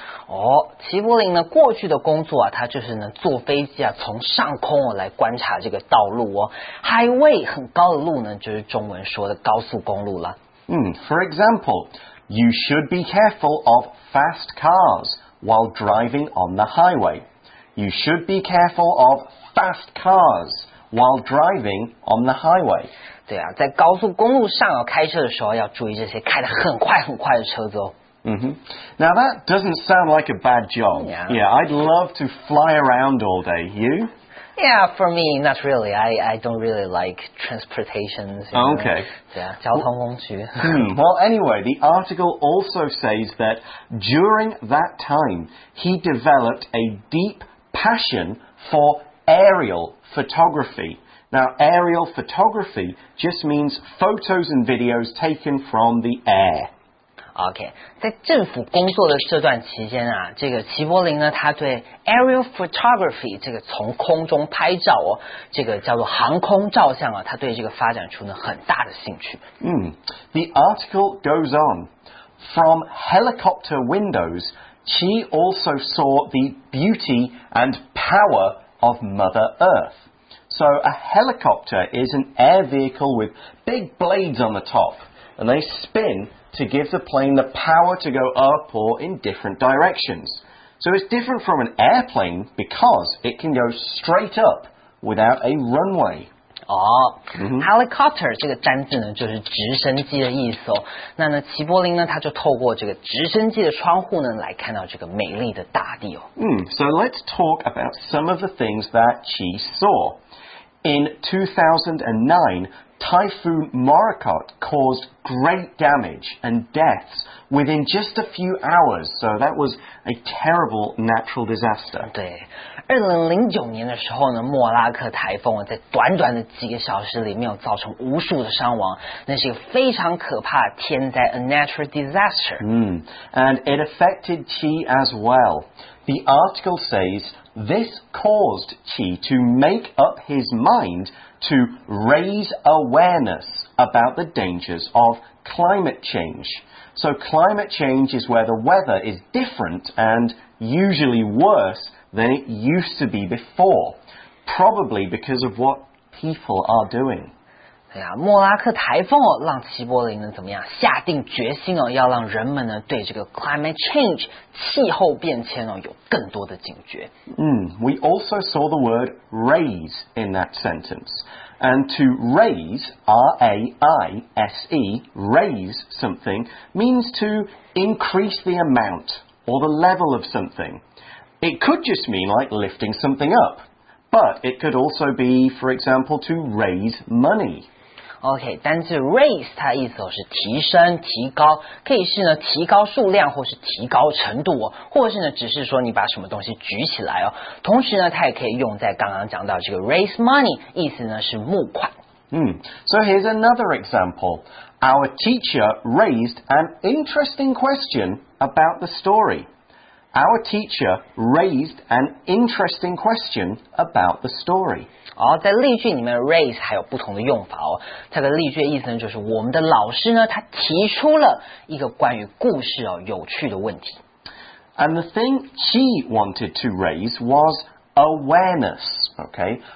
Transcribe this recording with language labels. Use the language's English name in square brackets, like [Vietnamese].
[Chinese] 哦，齐柏林呢，过去的工作啊，他就是呢坐飞机啊，从上空哦来观察这个道路哦。 Highway 很高的路呢，就是中文说的高速公路了。 [English] For example, you should be careful of fast cars while driving on the highway. You should be careful of fast cars while driving on the highway. 对啊，在高速公路上哦，开车的时候要注意这些开得很快很快的车子哦。 Now that doesn't sound like a bad job. Yeah, I'd love to fly around all day. You? Yeah, for me, not really. I don't really like transportation. Okay. [Chinese] 对啊，交通工具。 [English] Well, anyway, the article also says that during that time, he developed a deep passion for aerial photography. Now, aerial photography just means photos and videos taken from the air. [Chinese] OK, 在政府工作的这段期间啊，这个齐柏林呢，他对 aerial photography 这个从空中拍照哦，这个叫做航空照相啊，他对这个发展出呢很大的兴趣。 [English] The article goes on. From helicopter windows, Qi also saw the beauty and power of Mother Earth. So a helicopter is an air vehicle with big blades on the top, and they spin. To give the plane the power to go up or in different directions. So it's different from an airplane because it can go straight up without a runway. [Chinese] Helicopter 这个单字呢就是直升机的意思哦。那呢齐柏林呢他就透过这个直升机的窗户呢来看到这个美丽的大地哦。 [English] So let's talk about some of the things that Qi saw. In 2009,Typhoon Morakot caused great damage and deaths within just a few hours. So that was a terrible natural disaster. [Chinese] 对，2009年的时候呢，莫拉克台风在短短的几个小时里面造成无数的伤亡，那是一个非常可怕的天灾 ， [English] a natural disaster. And it affected Qi as well. The article says this caused Qi to make up his mind. To raise awareness about the dangers of climate change. So climate change is where the weather is different and usually worse than it used to be before, probably because of what people are doing. [Chinese] 哎呀，莫拉克台风哦，让齐柏林呢怎么样？下定决心哦，要让人们呢对这个 climate change 气候变迁哦有更多的警觉。 [English] We also saw the word raise in that sentence, and to raise, R-A-I-S-E, raise something means to increase the amount or the level of something. It could just mean like lifting something up, but it could also be, for example, to raise money. [Chinese] OK, 单字 raise 它的意思是提升、提高，可以是呢提高数量或是提高程度，或是呢只是说你把什么东西举起来哦。同时呢，它也可以用在刚刚讲到这个 raise money, 意思呢是募款。 [English] So here's another example. Our teacher raised an interesting question about the story. Our teacher raised an interesting question about the story. [Chinese] 在例句里面 raise 还有不同的用法哦。这个例句的意思呢，就是我们的老师呢，他提出了一个关于故事哦有趣的问题。 [English] And the thing she wanted to raise was awareness, okay?